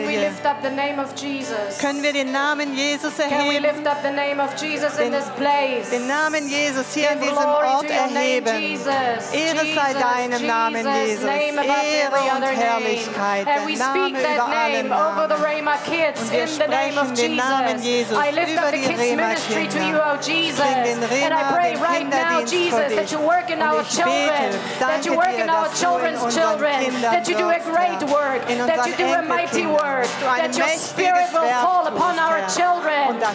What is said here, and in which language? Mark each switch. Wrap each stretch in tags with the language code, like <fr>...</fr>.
<en>Can we lift up the name of Jesus?</en> <de>Können wir den Namen Jesus erheben?</de> <en>Can we lift up the name of Jesus in this place?</en> <de>Den Namen Jesus hier in diesem Ort erheben. Ehre sei deinem Namen, Jesus. Ehre und Herrlichkeit.</de> <en>And we speak that name over the Rema kids in the name of Jesus. I lift up the kids ministry to you, O Jesus. And I pray right now, Jesus, that you work in our children, that you work in our children's children, that you do a great work, that you do a mighty work, that your spirit will fall upon our children.</en>